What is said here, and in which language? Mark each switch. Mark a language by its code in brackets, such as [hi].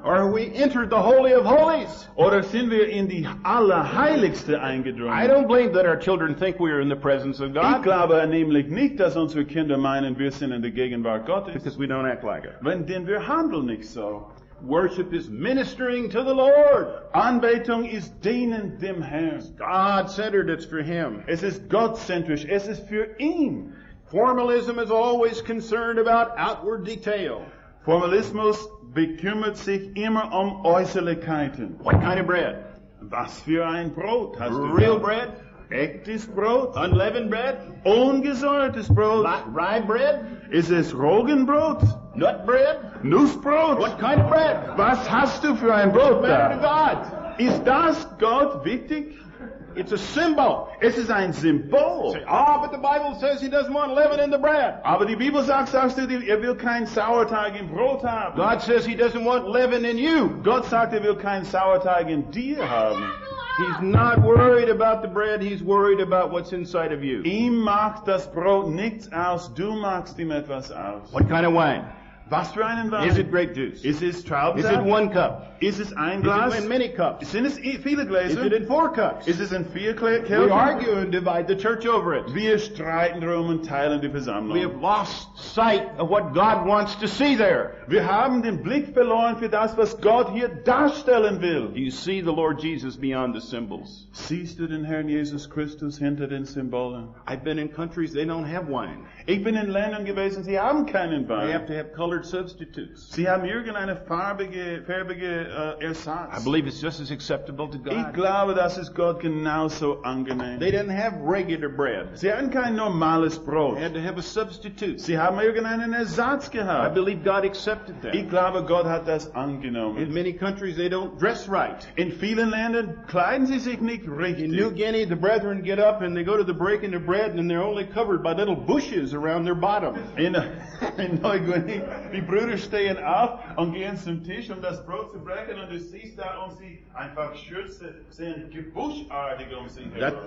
[en] Or are we entered the Holy of Holies? [de] Oder sind wir in die Allerheiligste eingedrungen? [en] I don't believe that our children think we are in the presence of God. [de] Ich glaube nämlich nicht, dass unsere Kinder meinen, wir sind in der Gegenwart Gottes. [en] Because we don't act like it. [de] Denn wir handeln nicht so. [en] Worship is ministering to the Lord. [de] Anbetung ist dienen dem Herrn. [en] It's God-centered, it's for Him. [de] Es ist gottzentrisch, es ist für ihn. [en] Formalism is always concerned about outward detail. [de] Formalismus bekümmert sich immer Äußerlichkeiten. [en] What kind of bread? [de] Was für ein Brot hast du? [en] Real bread? [de] Echtes Brot? [en] Unleavened bread? [de] Ungesäuertes Brot? [en] Rye bread? [de] Ist es Roggenbrot? [en] Nut bread? [de] Nussbrot? [en] What kind of bread? [de] Was hast du für ein Brot da? [en] Matter to God. [de] Ist das Gott wichtig? [en] It's a symbol. [de] Es ist ein Symbol. [en] But the Bible says he doesn't want leaven in the bread. [de] Aber die Bibel sagt, er will kein Sauerteig im Brot haben. [en] God says he doesn't want leaven in you. [de] Gott sagt, er will kein Sauerteig in dir haben. [en] He's not worried about the bread. He's worried about what's inside of you. [de] Ihm macht das Brot nichts aus. Du machst ihm etwas aus. [en] What kind of wine? [de] Was für einen Wein? [en] Is it grape juice? Is it [de] Traubsaft? [en] Is it one cup? Is it [de] ein Glas? [en] Is it in many cups? Is it [de] viele Gläser? [en] Is it in four cups? Is it [de] in vier Kelchen? [en] We argue and divide the church over it. [de] Wir streiten drum und teilen die Versammlung. [en] We have lost sight of what God wants to see there. [de] Wir haben den Blick verloren für das, was Gott hier darstellen will. [en] Do you see the Lord Jesus beyond the symbols? [de] Siehst du den Herrn Jesus Christus hinter den Symbolen? [en] I've been in countries, they don't have wine. [de] Ich bin in Ländern gewesen, sie haben keinen Wein. [en] They have to have colored substitutes. [de] Sie haben irgendeine farbige Ersatz. [en] I believe it's just as acceptable to God. [de] Ich glaube, das ist Gott genauso angenehm. [en] They didn't have regular bread. [de] Sie hatten kein normales Brot. [en] They had to have a substitute. [de] Sie haben irgendeinen Ersatz gehabt. [en] I believe God accepted that. [de] Ich glaube, Gott hat das angenommen. [en] In many countries, they don't dress right. [de] In vielen Ländern kleiden sie sich nicht richtig. [en] In New Guinea, the brethren get up and they go to the breaking of bread and they're only covered by little bushes around their bottom. [de] In Neuguinea, the Brüder stehen auf und gehen zum Tisch, um das Brot zu brechen, und du siehst da, und sie einfach Schürze sind gebuschartig um sie herum.